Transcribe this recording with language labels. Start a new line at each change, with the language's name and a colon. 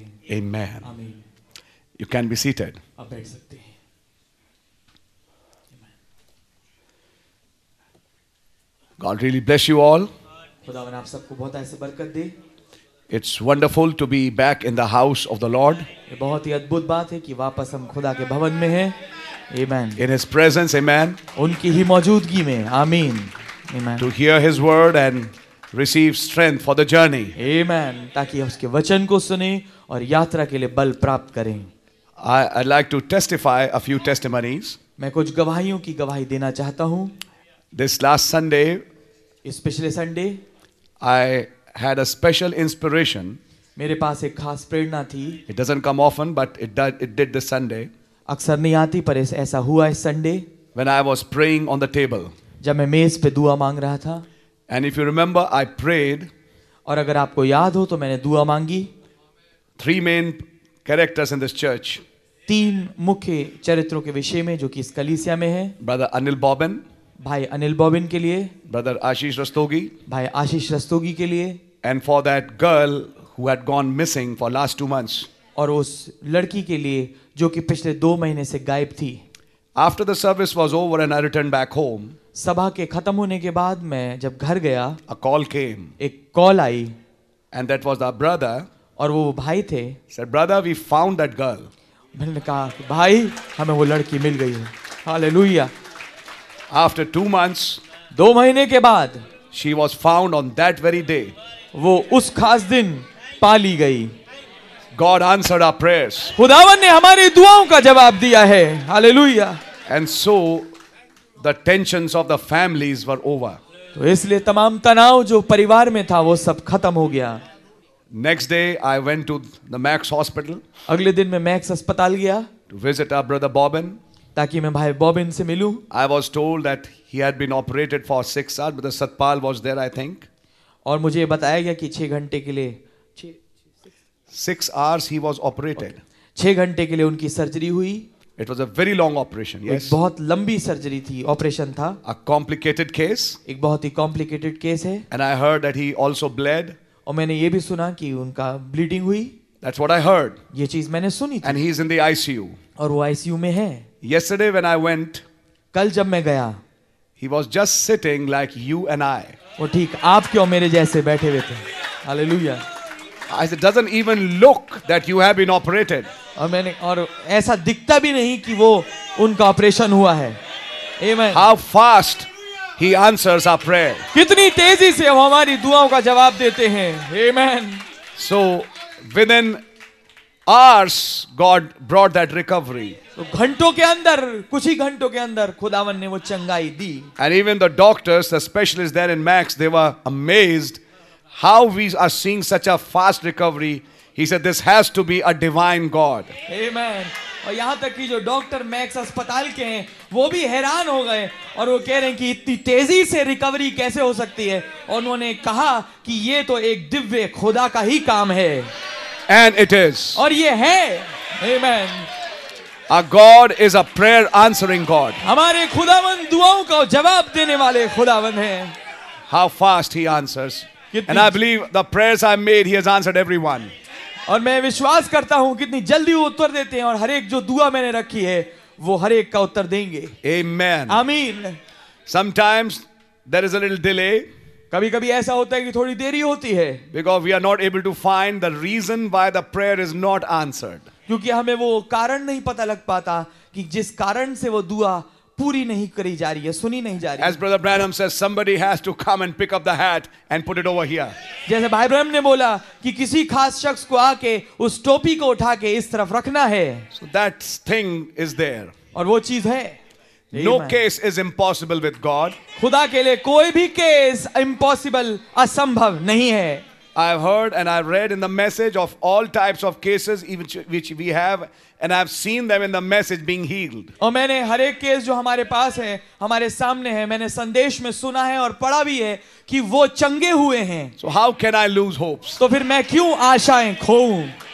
English: Amen. You can be seated. God really bless you all.
Hindi: खुदावन आप सबको बहुत ऐसे बरकत दे.
English: It's wonderful to be back in the house of the Lord.
Hindi: ये बहुत ही अद्भुत बात है कि वापस हम खुदा के भवन में हैं.
English: Amen. In His presence, amen.
Hindi: उनकी ही मौजूदगी में, आमीन.
English: Amen. To hear His word and receive strength for the journey. Amen.
Hindi: ताकि हम उसके वचन को सुने और यात्रा के लिए बल प्राप्त करें.
English: I'd like to testify a few testimonies.
Hindi: मैं कुछ गवाहियों की गवाही देना चाहता हूँ.
English: This last Sunday,
Hindi: इस पिछले Sunday,
English: I had a special inspiration.
Hindi: मेरे पास एक खास प्रेरणा थी.
English: It doesn't come often, but it did this Sunday.
Hindi: अक्सर नहीं आती, पर ऐसा हुआ इस Sunday.
English: When I was praying on the table.
Hindi: जब मैं मेज पे दुआ मांग रहा था.
English: And if you remember, I prayed.
Hindi: और अगर आपको याद हो, तो मैंने दुआ मांगी.
English: Three main characters in this church.
Hindi: तीन मुख्य चरित्रों के विषय में, जो कि इस कलीसिया में हैं.
English: Brother Anil Bobbin.
Hindi: भाई अनिल बॉबिन के लिए. ब्रदर आशीष रस्तोगी. भाई आशीष रस्तोगी के लिए.
English: And for that girl who had gone missing for last two months.
Hindi: और उस लड़की के लिए जो कि पिछले दो महीने से गायब थी.
English: After the service was over and I returned back home,
Hindi: सभा के खत्म होने के बाद मैं जब घर गया,
English: a call came,
Hindi: एक call I,
English: and that was our brother,
Hindi: और वो भाई थे,
English: said brother we found that girl,
Hindi: मैंने कहा भाई हमें वो लड़की मिल गई है, hallelujah,
English: after 2 months,
Hindi: दो महीने के बाद,
English: she was found on that very day,
Hindi: वो उस खास दिन पा ली गई.
English: God answered our prayers.
Hindi: खुदावन ने हमारी दुआओं का जवाब दिया है.
English: Hallelujah. And so the tensions of the families were over.
Hindi: तो इसलिए तमाम तनाव जो परिवार में था वो सब खत्म हो गया.
English: Next day I went to the Max hospital.
Hindi: अगले दिन मैं मैक्स अस्पताल गया.
English: To visit our brother Bobbin.
Hindi: ताकि मैं भाई बॉबिन से मिलूं.
English: I was told that he had been operated for 6 hours. Brother Satpal was there, I think.
Hindi: और मुझे बताया गया कि 6 घंटे के लिए
English: 6 hours he was operated.
Hindi: 6 घंटे के लिए उनकी सर्जरी हुई.
English: It was a very long operation. Yes.
Hindi: बहुत लंबी सर्जरी थी, ऑपरेशन था.
English: A complicated case.
Hindi: एक बहुत ही कॉम्प्लिकेटेड केस है.
English: And I heard that he also bled.
Hindi: और मैंने ये भी सुना कि उनका ब्लीडिंग हुई.
English: That's what I heard.
Hindi: ये चीज मैंने सुनी थी.
English: And he is in the ICU.
Hindi: और वो ICU में है.
English: Yesterday when I went.
Hindi: कल जब मैं गया.
English: He was just sitting like you and I.
Hindi: वो ठीक आप क्यों मेरे जैसे बैठे हुए थे.
English: Hallelujah. I said, doesn't even look that you have been operated.
Hindi: और ऐसा दिखता भी नहीं कि वो उनका ऑपरेशन हुआ है.
English: Amen. How fast he answers our prayer.
Hindi: कितनी तेजी से हमारी दुआओं का जवाब देते हैं.
English: Amen. So within hours, God brought that recovery.
Hindi: तो घंटों के अंदर, कुछ ही घंटों के अंदर खुदावन ने वो चंगाई दी.
English: And even the doctors, the specialists there in Max, they were amazed. How we are seeing such a fast recovery. He said this has to be a divine God. Amen.
Hindi: और यहाँ तक कि जो डॉक्टर मैक्स अस्पताल के हैं वो भी हैरान हो गए और वो कह रहे हैं कि इतनी तेजी से रिकवरी कैसे हो सकती है. और उन्होंने कहा कि ये तो एक दिव्य खुदा का ही काम है.
English: And it is.
Hindi: और ये है. Amen.
English: A God is a prayer answering God.
Hindi: हमारे खुदावन दुआओं का जवाब देने वाले खुदावन है.
English: How fast he answers. And I believe the prayers I made, he has answered everyone.
Hindi: और मैं विश्वास करता हूँ कितनी जल्दी वो उत्तर देते हैं और हर एक जो दुआ मैंने रखी है वो हर एक का उत्तर देंगे.
English: Amen.
Hindi: आमीन.
English: Sometimes there is a little delay.
Hindi: कभी-कभी ऐसा होता है कि थोड़ी देरी होती है.
English: Because we are not able to find the reason why the prayer is not answered.
Hindi: क्योंकि हमें वो कारण नहीं पता लग पाता कि जिस कारण से वो दुआ पूरी नहीं करी जा रही है, सुनी नहीं जा रही.
English: As Brother Branham says, somebody has to come and pick up the hat and put it over here.
Hindi: जैसे भाई ब्रह्म ने बोला कि किसी खास शख्स को आके उस टोपी को उठा के इस तरफ रखना है.
English: So that thing is there.
Hindi: और वो चीज है.
English: No case is impossible with God.
Hindi: खुदा के लिए कोई भी केस इम्पॉसिबल, असंभव नहीं है.
English: I've heard and I've read in the message of all types of cases even which we have and I've seen them in the message being healed.
Hindi: और मैंने हर एक केस जो हमारे पास है, हमारे सामने है, मैंने संदेश में सुना है और पढ़ा भी है कि वो चंगे हुए हैं.
English: So how can I lose hopes?
Hindi: तो फिर मैं क्यों आशाएं खोऊं?